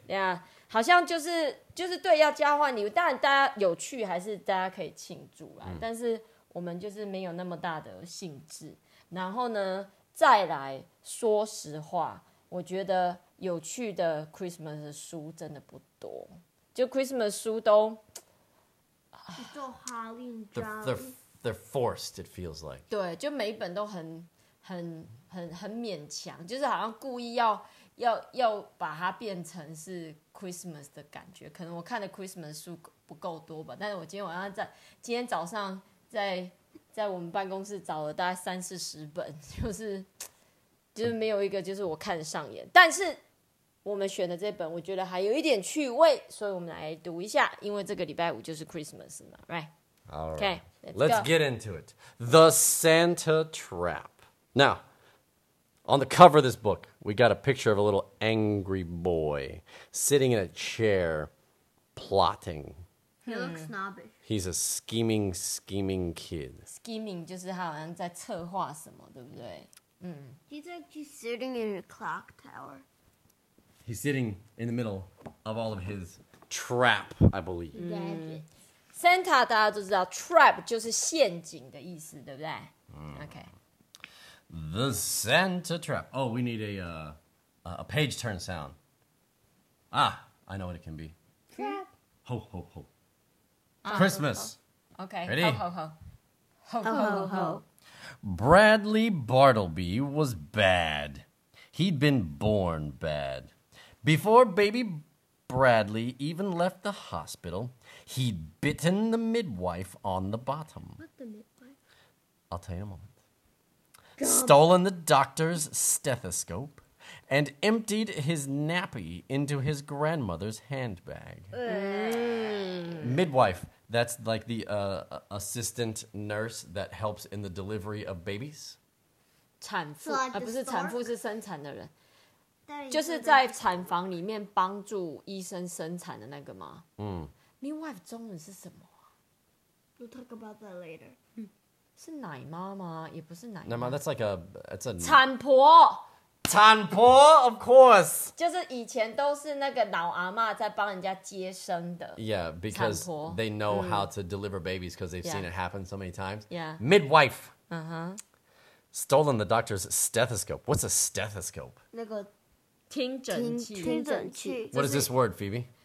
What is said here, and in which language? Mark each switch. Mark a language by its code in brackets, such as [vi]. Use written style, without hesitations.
[en] Yeah, [zh] 好像就是对要交换礼物，当然大家有趣还是大家可以庆祝啦。但是我们就是没有那么大的兴致。然后呢，再来说实话，我觉得有趣的 Christmas 书真的不多，就 Christmas 书都都哈林 [en] 家 they're forced, it feels like. [zh] 对，就每一本都很勉强，就是好像故意要把它变成是 Christmas 的感觉。可能我看的 Christmas 书不够多吧，但是我今天晚上在今天早上在我们办公室找了大概三四十本，就是没有一个就是我看得上眼。但是我们选的这本我觉得还有一点趣味，所以我们来读一下，因为这个礼拜五就是 Christmas 嘛， [en] right? Alright, let's get into it. The Santa Trap. Now, on the cover of this book, we got a picture of a little angry boy sitting in a chair plotting. He looks snobbish. He's a scheming kid. [zh] Scheming 就是他好像在策划什么，对不对？ [en] He's actually sitting in a clock tower. He's sitting in the middle of all of his trap, I believe. [zh] Santa 大家都知道 trap 就是陷阱的意思，对不对？ [en] Okay. The Santa Trap. Oh, we need a page turn sound. Ah, I know what it can be. Trap. Ho, ho, ho. Christmas. Okay. Ready? Ho, ho, ho. Ho, ho, ho. Bradley Bartleby was bad. He'd been born bad. Before baby Bradley even left the hospital, he'd bitten the midwife on the bottom. What the midwife? I'll tell you in a moment. Stolen the doctor's stethoscope and emptied his nappy into his grandmother's handbag. Midwife, that's like the assistant nurse that helps in the delivery of babies. [zh] 产妇啊，不是产妇，是生产的人，就是在产房里面帮助医生生产的那个吗？ Midwife 中文是什么？ [en] We'll talk about that later. [zh] 是奶妈吗？也不是奶妈。 [en] 奶妈 ，that's like a it's a [zh] 产婆。 [en] 产婆 ，of course. [zh] 就是以前都是那个老阿嬷在帮人家接生的。 [en] Yeah, because they know how to deliver babies because they've seen it happen so many times. Yeah. Midwife. Stolen the doctor's stethoscope. What's a stethoscope? [zh] 那个听诊器。听诊器。 [en] What is this word, Phoebe?